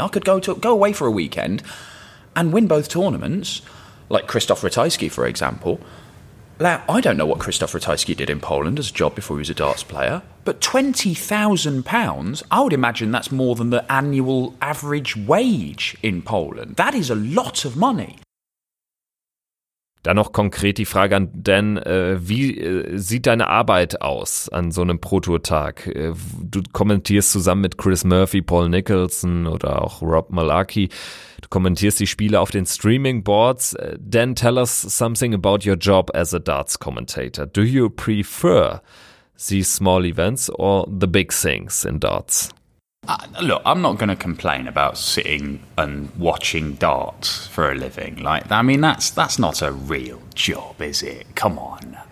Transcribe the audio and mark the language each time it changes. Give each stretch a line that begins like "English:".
English: I could go away for a weekend and win both tournaments, like Christoph Ratajski, for example. Now, I don't know what Christoph Ratajski did in Poland as a job before he was a darts player, but £20,000, I would imagine that's more than the annual average wage in Poland. That is a lot of money.
German: Dann noch konkret die Frage an Dan, wie sieht deine Arbeit aus an so einem Pro-Tour-Tag? Du kommentierst zusammen mit Chris Murphy, Paul Nicholson oder auch Rob Malarkey. Du kommentierst die Spiele auf den Streaming-Boards.
English: Dan, tell us something about your job as a darts commentator. Do you prefer these small events or the big things in darts? Look, I'm not going to complain about sitting and watching darts for a living. Like, I mean, that's not a real job, is it? Come on.